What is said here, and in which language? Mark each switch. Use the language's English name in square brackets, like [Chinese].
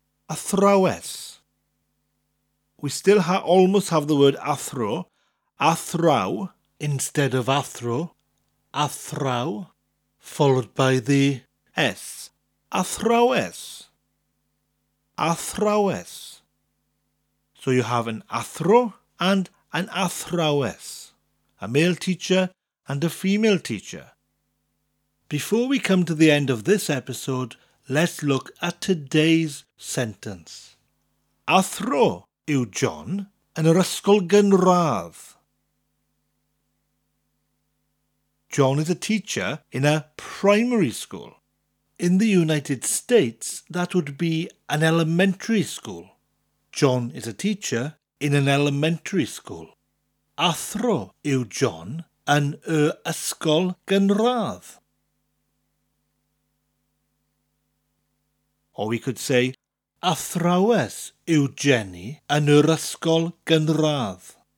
[English] Athrawes. We still almost have the word athro, athraw, instead of athro, athraw, followed by the s, athrawes, athrawes. So you have an athro and an athrawes, a male teacher and a female teacher. Before we come to the end of this episode, let's look at today's sentence. [Welsh] Athro yw John yn yr ysgol gynradd. [English] John is a teacher in a primary school. In the United States, that would be an elementary school. John is a teacher in an elementary school. [Welsh] Athro yw John yn yr ysgol gynradd. [English] Or we could say, [Welsh] athrawes yw Jenny yn yr ysgol gynradd.